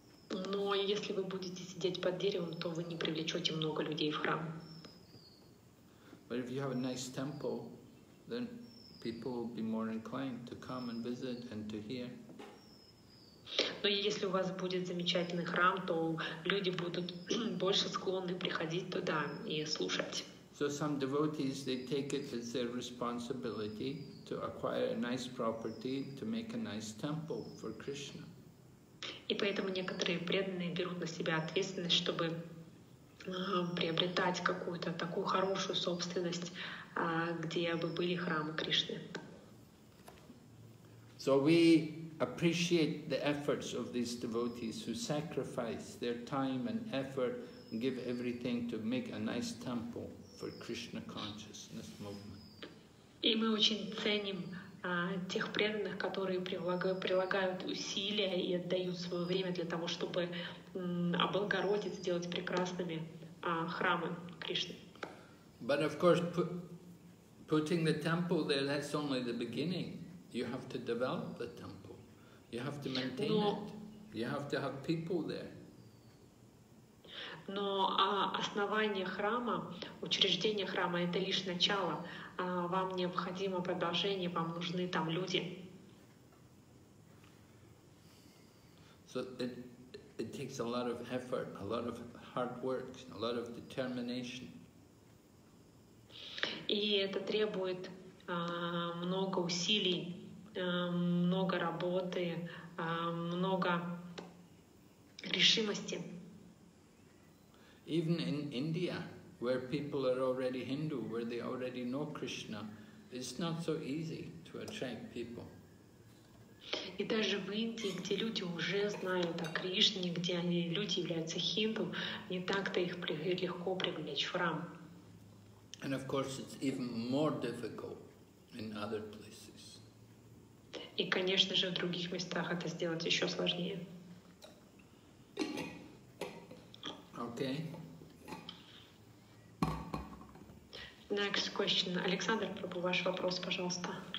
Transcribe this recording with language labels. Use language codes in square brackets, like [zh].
[ru] Но если вы будете сидеть под деревом, то вы не привлечете много людей в храм. [en] But if you have a nice temple, then people will be more inclined to come and visit and to hear. [ru] Но если у вас будет замечательный храм, то люди будут больше склонны приходить туда и слушать. [en] So some devotees, they take it as their responsibility to acquire a nice property, to make a nice temple for Krishna. [ru] И поэтому некоторые преданные берут на себя ответственность, чтобы приобретать какую-то такую хорошую собственность, где бы были храмы Кришны. [en] So we appreciate the efforts of these devotees who sacrifice their time and effort and give everything to make a nice temple for Krishna consciousness movement. [ru] И мы очень ценим тех преданных, которые прилагают усилия и отдают свое время для того, чтобы облагородить, сделать прекрасными храмы Кришны. [en] But of course, putting the temple there, that's only the beginning. You have to develop the temple. You have to maintain it. You have to have people there. [ru] Но основание храма, учреждение храма — это лишь начало. Вам необходимо продолжение, вам нужны там люди. [en] So it takes a lot of effort, a lot of hard work, a lot of determination. [ru] И это требует много усилий, много работы, много решимости. [en] Even in India, where people are already Hindu, where they already know Krishna, it's not so easy to attract people. [ru] И даже в Индии, где люди уже знают о Кришне, где они, люди являются хинду, не так-то их легко привлечь в храм. [en] And of course, it's even more difficult in other places. [ru] И, конечно же, в других местах это сделать еще сложнее. [en] Okay. Next question. [ru] Александр, Прабу, ваш вопрос, пожалуйста.